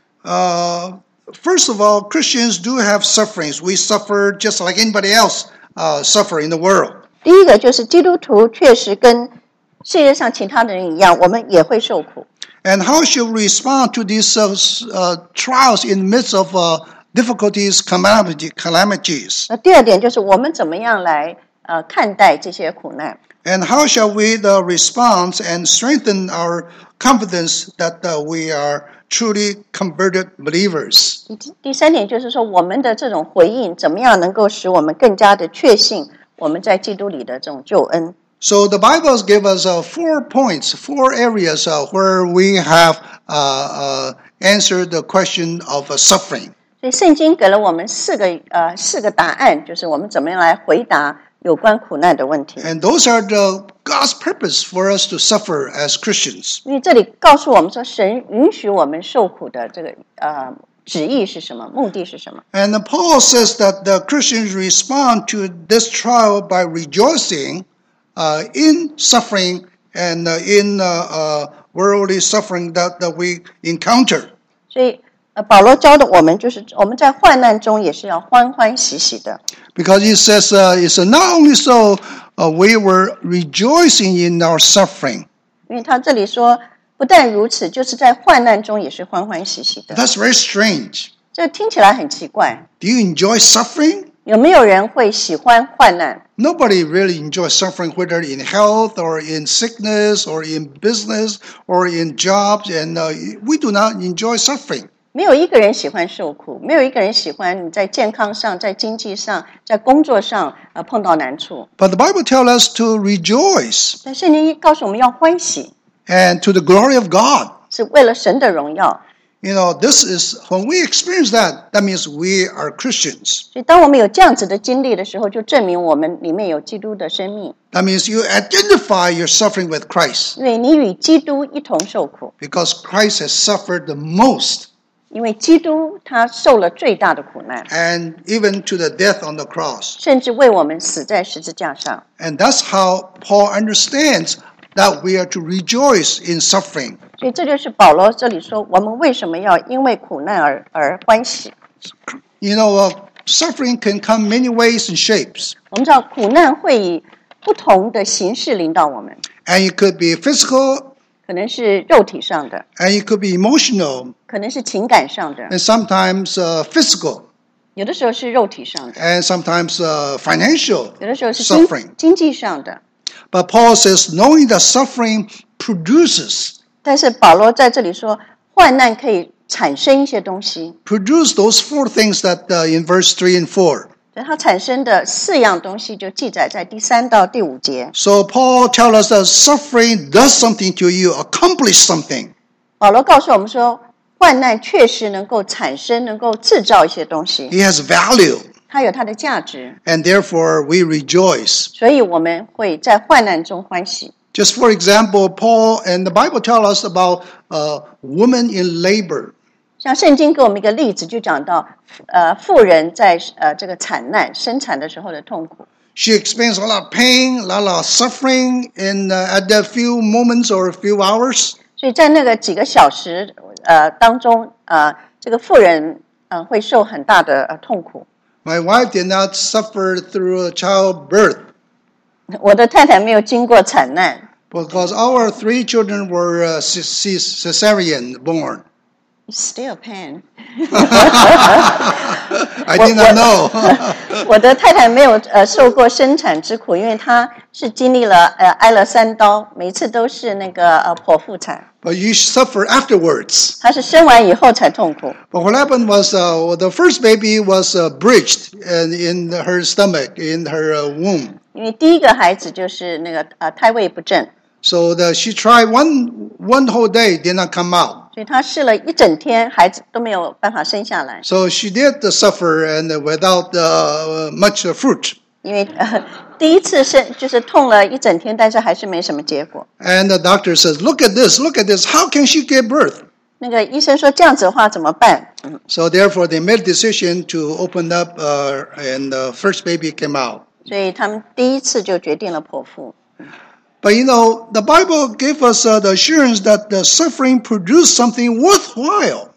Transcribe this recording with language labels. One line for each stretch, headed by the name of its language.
English: First of all, Christians do have sufferings. We suffer just like anybody else suffer in the world.
Chinese: 第一个就是基督徒确实跟世界上其他的人一样，我们也会受苦。
English: And how should we respond to these trials in the midst of difficulties, calamities.
Chinese: 那第二点就是我们怎么样来看待这些苦难。
English: And how shall we respond and strengthen our confidence that we are truly converted believers?
Chinese: 第三点就是说我们的这种回应怎么样能够使我们更加的确信我们在基督里的这种救恩。
English: So the Bible gives us four points, four areas where we have answered the question of suffering.
Chinese: 所以圣经给了我们四个答案，就是我们怎么样来回答有关苦难的问题。
English: And those are the God's purpose for us to suffer as Christians.
Chinese: 因为这里告诉我们说，神允许我们受苦的这个旨意是什么，目的是什么。
English: And Paul says that the Christians respond to this trial by rejoicing. In suffering and in worldly suffering that we encounter.
Chinese: 所以保罗教的我们就是我们在患难中也是要欢欢喜喜的。
English: Because he says it's not only so we were rejoicing in our suffering.
Chinese: 因为他这里说不但如此就是在患难中也是欢欢喜喜的。
English: That's very strange.
Chinese: 这听起来很奇怪。
English: Do you enjoy suffering?
Chinese: 有没有人会喜欢患难？
English: Nobody really enjoys suffering, whether in health or in sickness or in business or in jobs, and we do not enjoy suffering.
Chinese: 没有一个人喜欢受苦，没有一个人喜欢你在健康上、在经济上、在工作上碰到难处。
English: But the Bible tells us to rejoice.
Chinese: 但圣经告诉我们要欢喜。
English: And to the glory of God.
Chinese: 是为了神的荣耀。
English: You know, this is when we experience that. That means we are Christians.
Chinese: 所以，当我们有这样子的经历的时候，就证明我们里面有基督的生命。
English: That means you identify your suffering with Christ.
Chinese: 因为你与基督一同受苦。
English: Because Christ has suffered the most.
Chinese: 因为基督他受了最大的苦难。
English: And even to the death on the cross.
Chinese: 甚至为我们死在十字架上。
English: And that's how Paul understands that we are to rejoice in suffering.
Chinese: 所以这就是保罗这里说，我们为什么要因为苦难而欢喜
English: ？You know, suffering can come many ways and shapes.
Chinese: 我们知道苦难会以不同的形式临到我们。
English: And it could be physical.
Chinese: 可能是肉体上的。
English: And it could be emotional.
Chinese: 可能是情感上的。
English: And sometimes physical.
Chinese: 有的时候是肉体上的。
English: And sometimes financial.
Chinese: 有的时候是
English: suffering.
Chinese: 经济上的。
English: But Paul says, knowing that suffering produces.
Chinese: 但是保罗在这里说，患难可以产生一些东西。
English: Produce those four things that in verse 3 and 4.
Chinese: 它产生的四样东西就记载在第三到第五节。
English: So Paul tells us that suffering does something to you, accomplish something.
Chinese: 保罗告诉我们说，患难确实能够产生，能够制造一些东西。
English: It has value.
Chinese: 它有它的价值。
English: And therefore we rejoice.
Chinese: 所以我们会在患难中欢喜。
English: Just for example, Paul and the Bible tell us about a woman in labor.
Chinese: 像圣经给我们一个例子，就讲到妇人在这个产难生产的时候的痛苦。
English: She experienced a lot of pain, a lot of suffering in at that few moments or a few hours.
Chinese: 所以在那个几个小时当中这个妇人会受很大的痛苦。
English: My wife did not suffer through a childbirth.
Chinese: 我的太太没有经过产难。
English: Because our three children were cesarean born. Still pain. I did not know.
Chinese: 我的太太没有受过生产之苦，因为她是经历了挨了三刀，每次都是那个剖腹产。
English: But you suffer afterwards.
Chinese: 她是生完以后才痛苦。
English: But what happened was the first baby was breached in her stomach, in her womb.
Chinese: 因为第一个孩子就是那个胎位不正
English: ，so that she tried one whole day did not come out.
Chinese: 所以她试了一整天，孩子都没有办法生下来。
English: So she did suffer and without much fruit.
Chinese: 因为第一次就是痛了一整天，但是还是没什么结果。
English: And the doctor says, look at this, how can she give birth?
Chinese: 那个医生说这样子的话怎么办
English: ？So therefore they made a decision to open up and the first baby came out.
Chinese: 所以他们第一次就决定了剖腹。
English: But you know, the Bible gave us the assurance that the suffering produced something worthwhile.